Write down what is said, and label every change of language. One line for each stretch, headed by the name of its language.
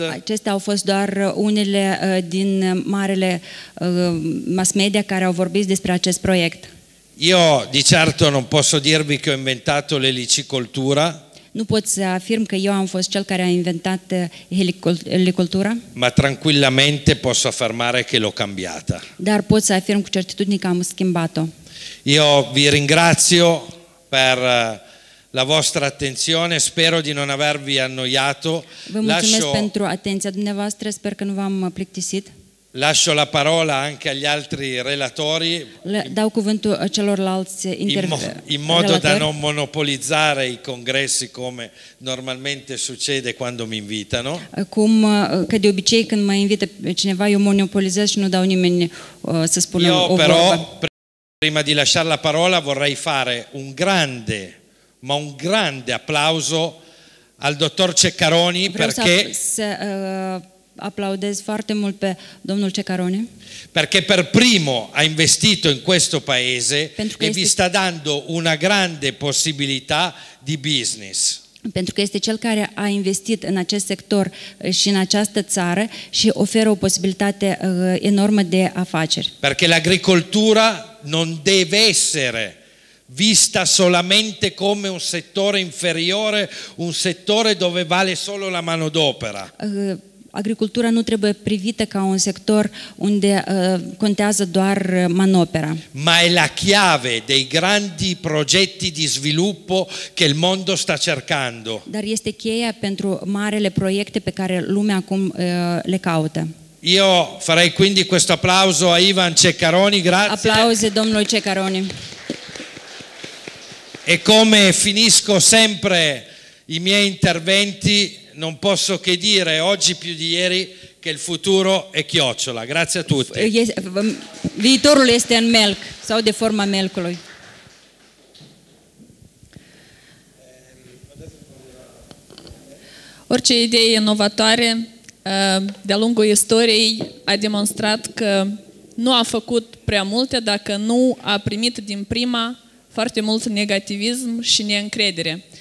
Romanian: Acestea au fost doar unele din marele mass media care au vorbit despre acest proiect.
Italian: Io di certo non posso dirvi che ho inventato l'elicicoltura.
Romanian: Nu pot să afirm că eu am fost cel care a inventat elicultura.
Italian: Ma tranquillamente posso affermare che l'ho cambiata.
Romanian: Dar pot să afirm cu certitudine că am schimbat-o.
Italian: Io vi ringrazio per la vostra attenzione, spero di non avervi annoiato.
Romanian: Vă mulțumesc pentru atenția dumneavoastră, sper că nu v-am plictisit.
Italian: Lascio la parola anche agli altri relatori.
Romanian: Dau cuvântul celorlalți interlocutori.
Italian: In modo da non monopolizzare i congressi come normalmente succede quando mi invitano.
Romanian: Cum că de obicei când mă invită cineva eu monopolizez și nu dau nimeni să spună o vorbă.
Italian: Io però prima di lasciare la parola vorrei fare un grande, ma un grande applauso al dottor Ceccaroni perché
Romanian: applaudez foarte mult pe domnul Ceccaroni.
Italian: Perché per primo ha investito in questo paese e vi sta dando una grande possibilità di business.
Romanian: Pentru că este cel care a investit în acest sector și în această țară și oferă o posibilitate enormă de afaceri.
Italian: Perché l'agricoltura non deve essere vista solamente come un settore inferiore, un settore dove vale solo la manodopera.
Romanian: Agricultura nu trebuie privită ca un sector unde contează doar manopera.
Italian: Ma è la chiave dei grandi progetti di sviluppo che il mondo sta cercando.
Romanian: Dar este cheia pentru marele proiecte pe care lumea acum le caută.
Italian: Io farei quindi questo applauso a Ivan Ceccaroni, grazie.
Romanian: Applauze domnului Ceccaroni.
Italian: E come finisco sempre i miei interventi, non posso che dire oggi più di ieri che il futuro è chiocciola. Grazie a tutti.
Romanian: Viitorul este în melc sau de forma melcului. Orice idee inovatoare de-a lungul istoriei a demonstrat că nu a făcut prea multe dacă nu a primit din prima foarte mult negativism și neîncredere.